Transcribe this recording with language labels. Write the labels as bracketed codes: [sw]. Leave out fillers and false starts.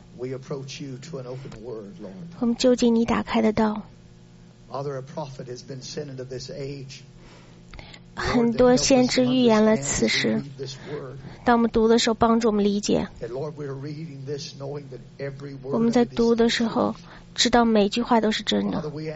[en] We approach you to an open word, Lord. [zh] 我们就近你打开的道。 [en] Father, a prophet has been sent into this age. [zh] 很多先知预言了此时。当我们读的时候，帮助我们理解。 [en] Lord, we are reading this knowing that every word. [zh] 我们在读的时候，知道每句话都是真的。